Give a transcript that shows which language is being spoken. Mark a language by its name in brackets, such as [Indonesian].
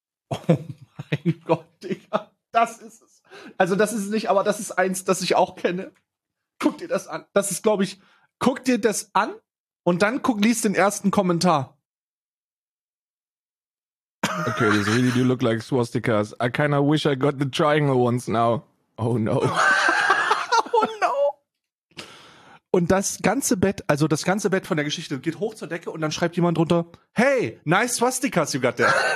[German] Oh mein Gott, Digga. Das ist es. Also das ist nicht, aber das ist eins, das ich auch kenne. Guck dir das an. Das ist, glaube ich, guck dir das an und dann guck, liest den ersten Kommentar. [English] Okay, this really do look like swastikas. I kinda wish I got the triangle ones now. Oh no. [German] Und das ganze Bett, also das ganze Bett von der Geschichte geht hoch zur Decke und dann schreibt jemand drunter, [English] hey, nice swastikas you got there.